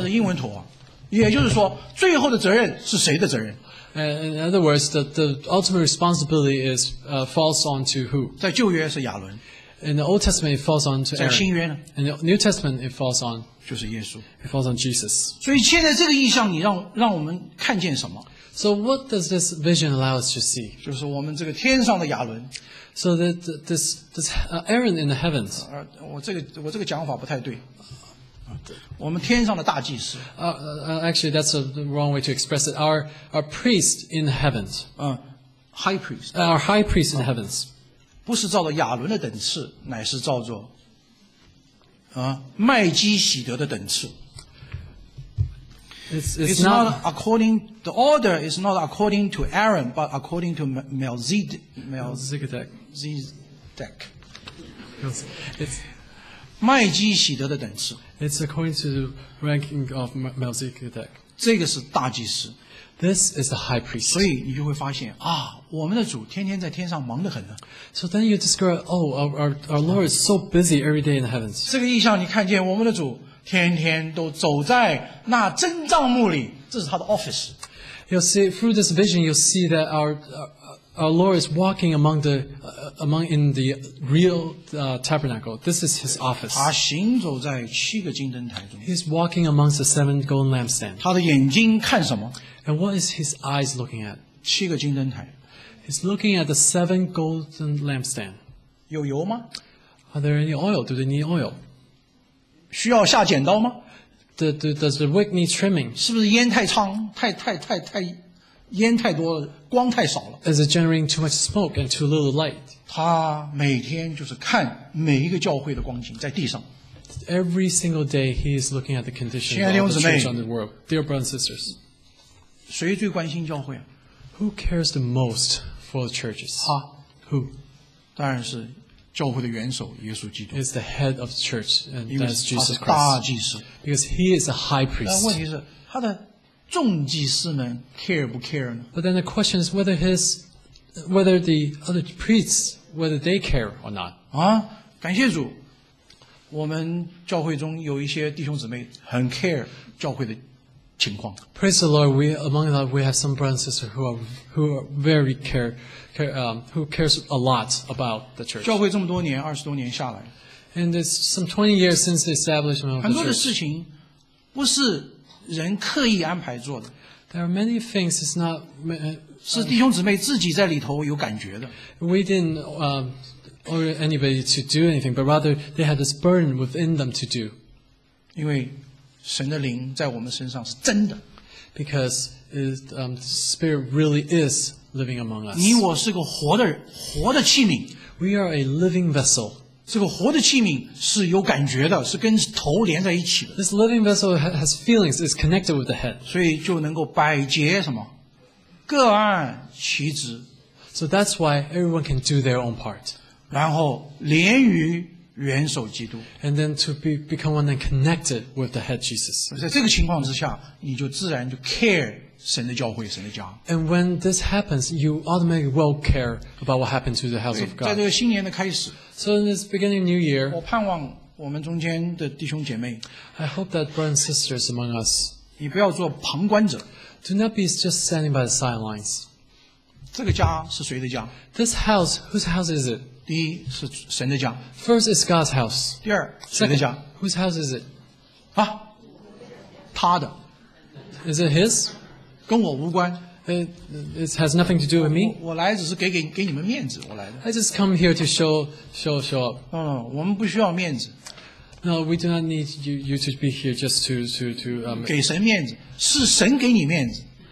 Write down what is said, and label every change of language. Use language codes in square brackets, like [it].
[zh] 是英文土话，也就是说，最后的责任是谁的责任 [en] ？In other words, the ultimate responsibility is falls onto who? [zh] 在旧约是亚伦。 [en] In the Old Testament, it falls onto Aaron. [zh] 在新约呢 [en] ？In the New Testament, it falls on [zh] 就是耶稣。 [en] It falls on Jesus. [zh] 所以现在这个意象，你让我们看见什么？ [en] So what does this vision allow us to see? [zh] 就是我们这个天上的亚伦。 [en] So this Aaron in the heavens. [zh] 我这个讲法不太对。我们天上的大祭司。 [en] Actually, that's the wrong way to express it. Our priest in the heavens. High priest. Our high priest in the heavens. [zh] 不是照着亚伦的等次，乃是照着麦基洗德的等次。 [en] It's not according the order is not according to Aaron but according to Melchizedek. It's [zh] 麦基洗德的等次 [en] It's according to the ranking of Melchizedek. [zh] 这个是大祭司 [en] This is the high priest. [zh] 所以你就会发现啊，我们的主天天在天上忙得很呢。 [en] So then you discover, oh, our Lord is so busy every day in the heavens. [zh] 这个意象你看见我们的主天天都走在那真帐幕里，这是他的 office。 [en] You'll see through this vision, you'll see that our Lord is walking among the among in the real tabernacle. This is his office. [zh] 他行走在七个金灯台中。 [en] He's walking amongst the seven golden lampstands. [zh] 他的眼睛看什么？ [en] And what is his eyes looking at? [zh] 七个金灯台。 [en] He's looking at the seven golden lampstands. [zh] 有油吗？ [en] Are there any oil? Do they need oil? [zh] 需要下剪刀吗？ [en] Does the wick need trimming? [zh] 是不是烟太猖？太烟太多了，光太少了。 [en] Is it generating too much smoke and too little light? [zh] 他每天就是看每一个教会的光景在地上。 [en] Every single day he is looking at the condition of the church on the world. Dear brothers and sisters. [zh] 谁最关心教会？ [en] Who cares the most for the churches? [zh] 他。 [en] Who? [zh] 当然是教会的元首耶稣基督。 [en] Is the head of the church and that is Jesus Christ. [zh] 他是大祭司。 [en] Because he is a high priest. [zh] 但问题是他的众祭司们 care 不 care 呢？ [en] But then the question is whether the other priests whether they care or not. [zh] 啊，感谢主，我们教会中有一些弟兄姊妹很 care 教会的情况。 [en] Praise the Lord, we among us we have some brothers and sisters who are very who cares a lot about the church. [zh] 教会这么多年，二十多年下来 [en] ，and it's some 20 years since the establishment of the church. [zh] 很多的事情不是人刻意安排做的。 [en] There are many things it's not. [zh] 是弟兄姊妹自己在里头有感觉的。 [en] We didn't order anybody to do anything, but rather they had this burden within them to do. [zh] 因为神的灵在我们身上是真的。 [en] Because the Spirit really is living among us. [zh] 你我是个活的器皿。 [en] We are a living vessel. [zh] 这个活的器皿是有感觉的，是跟头连在一起的。 [en] This living vessel has feelings, is connected with the head. [zh] 所以就能够百节什么，各按其职。 [en] So that's why everyone can do their own part. [zh] 然后连于元首基督。 [en] And then to become one and connected with the head Jesus. [zh] 在这个情况之下，你就自然就 care 神的教会、神的家。 [en] And when this happens, you automatically will care about what happened to the house of God. [zh] 在这个新年的开始。 [en] So in this beginning of New Year, [zh] 我盼望我们中间的弟兄姐妹 [en] I hope that brothers and sisters among us, [zh] 你不要做旁观者 [en] Do not be just standing by the sidelines. [zh] 这个家是谁的家？ [en] This house, whose house is it? [zh] 第一是神的家。 [en] First is God's house. [zh] 第二谁的家？ [en] Whose house is it? [zh] 啊，他的。 [en] Is it his? [zh] 跟我无关。 [en] It has nothing to do with me. [zh] 我来只是给你们面子，我来的。 [en] I just come here to show up. [zh] 我们不需要面子。 [en] No, we do not need you to be here just to [zh] 给神面子，是神给你面子。